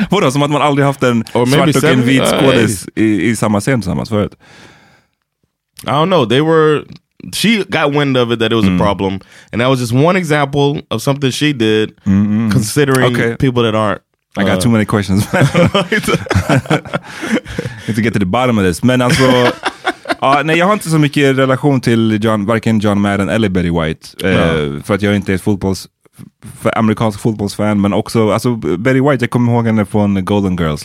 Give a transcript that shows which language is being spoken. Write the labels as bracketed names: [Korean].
[Swedish] Vadå, som att man aldrig haft en svart och en vit skådis i samma scen tillsammans förut. [English] I don't know. She got wind of it that it was a problem. And that was just one example of something she did, considering people that aren't. I got too many questions. I need to get to the bottom of this. [Swedish] Men alltså, nej, jag har inte så mycket relation till varken John Madden eller Betty White. För att jag inte är amerikansk fotbollsfan. Men också, alltså, Betty White, jag kommer ihåg henne från Golden Girls.